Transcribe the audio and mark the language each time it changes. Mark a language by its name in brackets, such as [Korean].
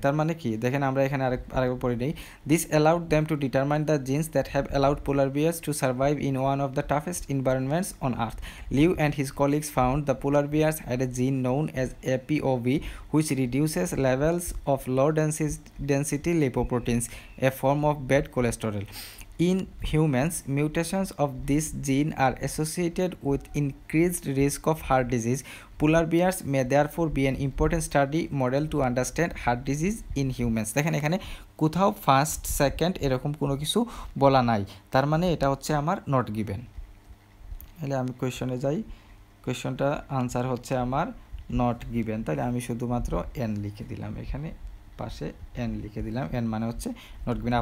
[Bangla] তার মানে কি, দেখেন আমরা এখানে আরেকবার পড়ে নিই। [English] This allowed them to determine the genes that have allowed polar bears to survive in one of the toughest environments on earth. Liu and his colleagues found the polar bears had a gene known as APOB which reduces levels of low density lipoproteins a form of bad cholesterol. In humans, mutations of this gene are associated with increased risk of heart disease. Polar bears may therefore be an important study model to understand heart disease in humans. [Bangla] দেখেন এখানে কোথাও first second এরকম কোনো কিছু বলা নাই, তার মানে এটা হচ্ছে আমার নট গিভেন। তাহলে আমি কোয়েশনে যাই, কোয়েশনটা আনসার হচ্ছে আমার নট গিভেন, তাহলে আমি শুধুমাত্র এন লিখে দিলাম, এখানে পাশে এন লিখে দিলাম, এন মানে হচ্ছে নট গিভেন।